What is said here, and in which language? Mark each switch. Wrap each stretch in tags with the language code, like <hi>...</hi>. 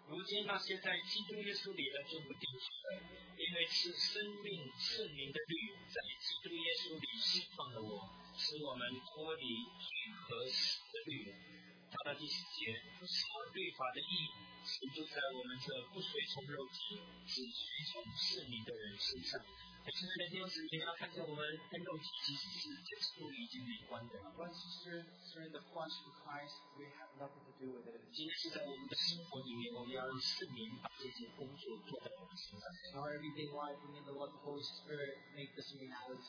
<zh>如今那些在基督耶稣里的就不定罪了，因为是生命圣灵的律在基督耶稣里释放了我，使我们脱离罪和死的律。到了第十节，说律法的义成就在我们这不随从肉体，只随从圣灵的人身上。可是那天时间要看见我们跟肉体其实是跟基督已经没关的。</zh> <en>Once you're in the flesh of Christ, we have nothing to do with it.</en> <zh>今天是在我们的生活里面，我们要让圣灵把这些工作做在我们身上。</zh> <en>Our everyday life, we need the Lord, the Holy Spirit, make this reality.</en>